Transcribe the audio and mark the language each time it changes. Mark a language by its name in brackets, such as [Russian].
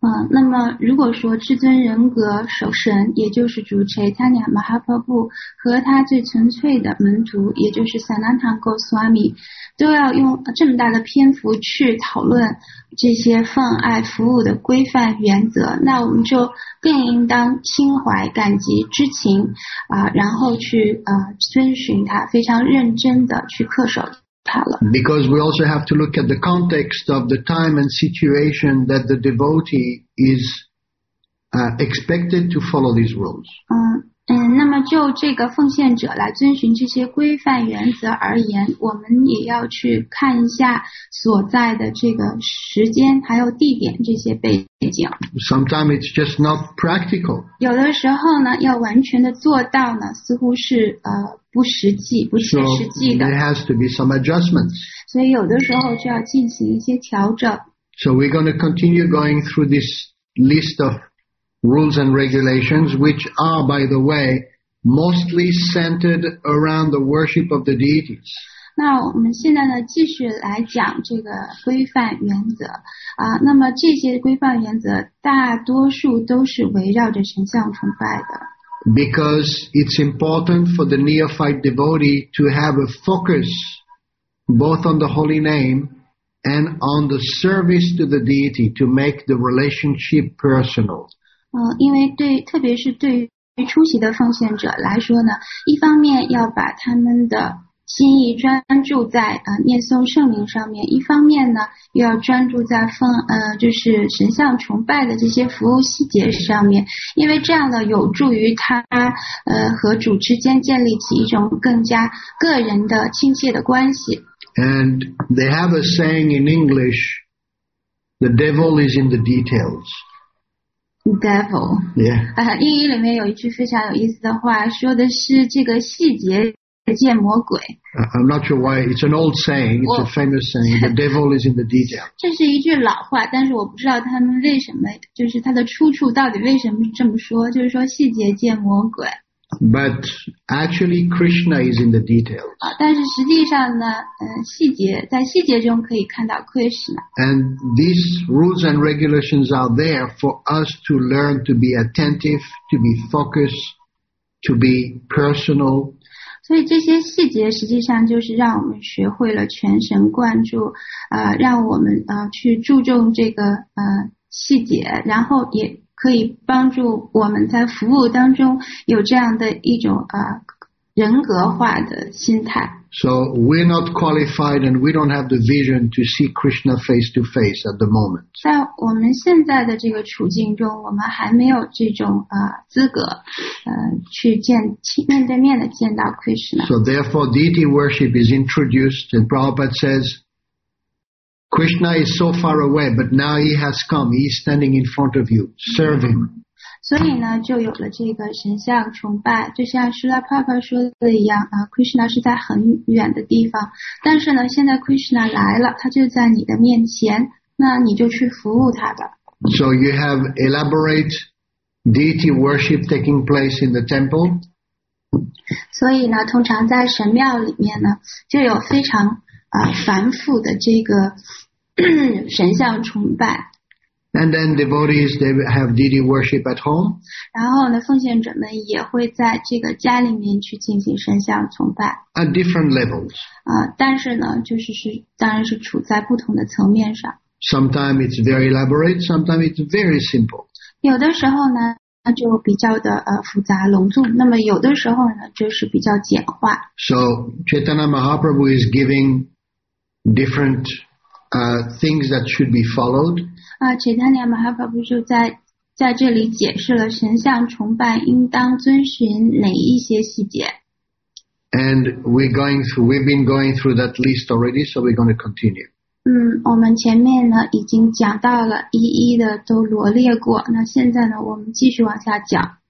[Chinese] 那么如果说至尊人格守神，也就是主 Chaitanya Mahaprabhu 和他最纯粹的门徒，也就是 Sanatana Goswami， 都要用这么大的篇幅去讨论这些奉爱服务的规范原则，那我们就更应当心怀感激之情然后去遵循他，非常认真的去恪守。 [English] Because we also have to look at the context of the time and situation that the devotee is expected to follow these rules. [Chinese] 那么就这个奉献者来遵循这些规范原则而言，我们也要去看一下所在的这个时间还有地点这些背景。 [English] Sometimes it's just not practical. [Chinese] 有的时候呢，要完全的做到呢，似乎是不实际，不切实际的。 [English] So there has to be some adjustments. [Chinese] 所以有的时候就要进行一些调整。 [English] So we're going to continue going through this list of rules and regulations, which are, by the way, mostly centered around the worship of the deities. [Chinese] 那我们现在呢，继续来讲这个规范原则那么这些规范原则大多数都是围绕着神像崇拜的。 [English] Because it's important for the neophyte devotee to have a focus both on the holy name and on the service to the deity to make the relationship personal. [Chinese] 因为对，特别是对于初级的奉献者来说呢，一方面要把他们的心意专注在念诵圣名上面，一方面呢又要专注在就是神像崇拜的这些服务细节上面，因为这样呢有助于他和主之间建立起一种更加个人的亲切的关系。 [English] And they have a saying in English, the devil is in the details. Devil. Yeah. [Chinese] 英语里面有一句非常有意思的话，说的是这个细节见魔鬼。 [English] I'm not sure why. It's an old saying. It's a famous saying. The devil is in the detail. [Chinese] 这是一句老话，但是我不知道他们为什么，就是它的出处到底为什么这么说，就是说细节见魔鬼。 [English] But actually, Krishna is in the details. [Chinese] 但是实际上呢，细节在细节中可以看到 Krishna. [English] And these rules and regulations are there for us to learn to be attentive, to be focused, to be personal. [Chinese] 所以这些细节实际上就是让我们学会了全神贯注，让我们去注重这个细节，然后也。可以帮助我们在服务当中有这样的一种人格化的心态。 [English] So we're not qualified and we don't have the vision to see Krishna face to face at the moment. [Chinese] 在我们现在的这个处境中，我们还没有这种资格去见面对面的见到 Krishna. [English] So therefore deity worship is introduced and Prabhupada says,Krishna is so far away, but now he has come. He is standing in front of you. Serve him. [Chinese] 所以呢，就有了这个神像崇拜。就像释迦牟尼说的一样Krishna 是在很远的地方，但是呢，现在 Krishna 来了，他就在你的面前，那你就去服务他吧。 [English] So you have elaborate deity worship taking place in the temple. [Chinese] 所以呢，通常在神庙里面呢，就有非常。繁复的这个神像崇拜。 [English] And then devotees, they have deity worship at home. [Chinese] 然后呢，奉献者们也会在这个家里面去进行神像崇拜。 [English] At different levels. [Chinese] 但是呢，就是当然是处在不同的层面上。 [English] Sometimes it's very elaborate, sometimes it's very simple. [Chinese] 有的时候呢，那就比较的复杂隆重，那么有的时候呢就是比较简化。 [English] So Chaitanya Mahaprabhu is giving different things that should be followed. [Chinese] Chaitanya Mahaprabhu 就在这里解释了神像崇拜应当遵循哪一些细节。 [English] And we've been going through that list already, so we're going to continue. [Chinese] 我们前面呢已经讲到了，一一的都罗列过。那现在呢，我们继续往下讲。